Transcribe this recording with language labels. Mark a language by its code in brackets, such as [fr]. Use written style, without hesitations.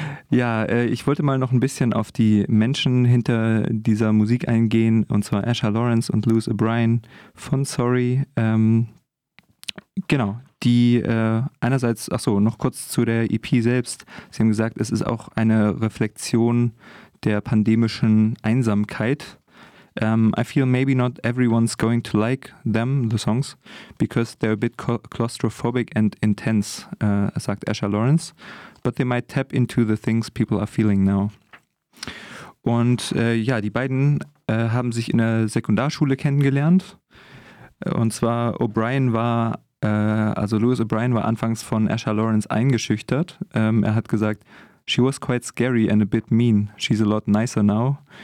[de] Ja, ich wollte mal noch ein bisschen auf die Menschen hinter dieser Musik eingehen, und zwar Asher Lawrence und Lewis O'Brien von Sorry. Genau, die einerseits, noch kurz zu der EP selbst. Sie haben gesagt, es ist auch eine Reflexion der pandemischen Einsamkeit. [en] I feel maybe not everyone's going to like them, the songs, because they're a bit claustrophobic and intense, [de] sagt Asher Lawrence, [en] but they might tap into the things people are feeling now. [de] Und die beiden haben sich in der Sekundarschule kennengelernt. Und zwar Lewis O'Brien war anfangs von Asher Lawrence eingeschüchtert. Er hat gesagt, [en] she was quite scary and a bit mean. She's a lot nicer now.